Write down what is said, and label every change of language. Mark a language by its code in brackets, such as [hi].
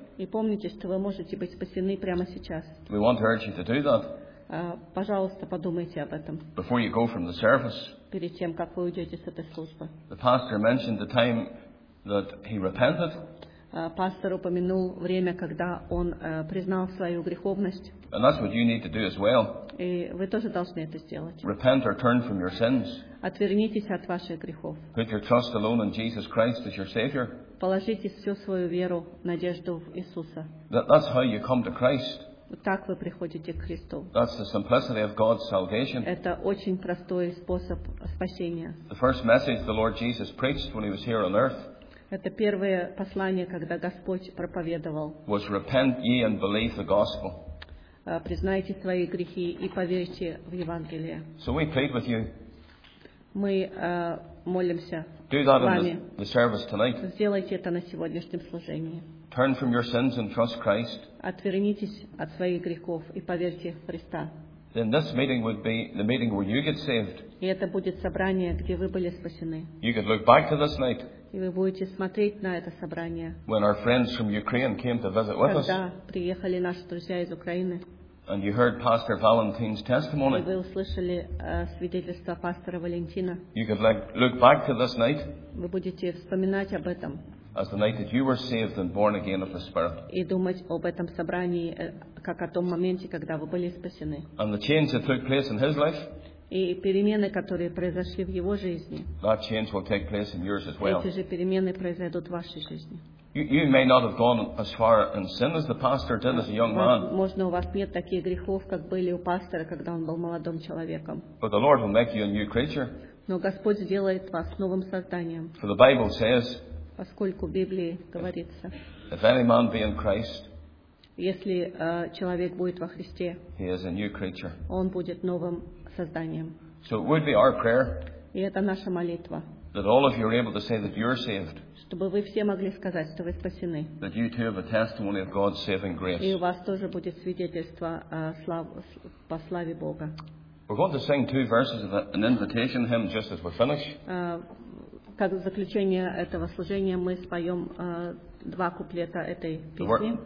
[ru] И помните, что вы можете быть спасены прямо сейчас. [en] We want to urge you to do that. [ru] Пожалуйста, подумайте об этом. [en] Before you go from the service. [ru] Перед тем, как вы уйдете с этой службы. [en] The pastor mentioned the time that he repented. [ru] Пастор упомянул время, когда он признал свою греховность. [en] And that's what you need to do as well. [ru] И вы тоже должны это сделать. [en] Repent or turn from your sins. [ru] Отвернитесь от ваших грехов. [en] Put your trust alone in Jesus Christ as your Savior. [ru] Положите всю свою веру, надежду в Иисуса. [en] That's how you come to Christ. [ru] Так вы приходите к Христу. [en] That's the simplicity of God's salvation. [ru] Это очень простой способ спасения. [en] The first message the Lord Jesus preached when he was here on earth. [ru] Это первое послание, когда Господь проповедовал. [en] Was repent ye and believe the gospel. [ru] Признайте свои грехи и поверьте в Евангелие. [en] So we plead with you. [ru] Мы молимся. [en] Do that in the service tonight. [ru] Сделайте это на сегодняшнем служении. [en] Turn from your sins and trust Christ. [ru] Отвернитесь от своих грехов и поверьте в Христа. [en] Then this meeting would be the meeting where you get saved. [ru] И это будет собрание, где вы были спасены. [en] You could look back to this night. [ru] И вы будете смотреть на это собрание. [en] When our friends from Ukraine came to visit with us. [ru] Когда приехали наши друзья из Украины. [en] And you heard Pastor Valentin's testimony. [ru] Вы услышали свидетельство пастора Валентина. [en] You could look back to this night. [ru] Вы будете вспоминать об этом. [en] As the night that you were saved and born again of the Spirit. [ru] И думать об этом собрании, как о том моменте, когда вы были спасены. [en] And the change that took place in his life. [ru] И перемены, которые произошли в его жизни. [en] That change will take place in yours as well. [ru] Эти же перемены произойдут в вашей жизни. [en] You may not have gone as far in sin as the pastor did as a young man. [ru] Можно у вас нет таких грехов, как были у пастора, когда он был молодым человеком. [en] But the Lord will make you a new creature. [ru] Но Господь сделает вас новым созданием. [en] For the Bible says. [ru] Поскольку в Библии говорится. [en] If any man be in Christ. [ru] Если человек будет во Христе. [en] He is a new creature. [ru] Он будет новым созданием. [en] So it would be our prayer. [ru] И это наша молитва. [en] That all of you are able to say that you're saved. [ru] Чтобы вы все могли сказать, что вы спасены. [en] That you too have a testimony of God's saving grace. [ru] И у вас тоже будет свидетельство по славе Бога. [en] We're going to sing two verses of an invitation hymn just as we finish. [ru] Как в заключение этого служения мы споем два куплета этой песни.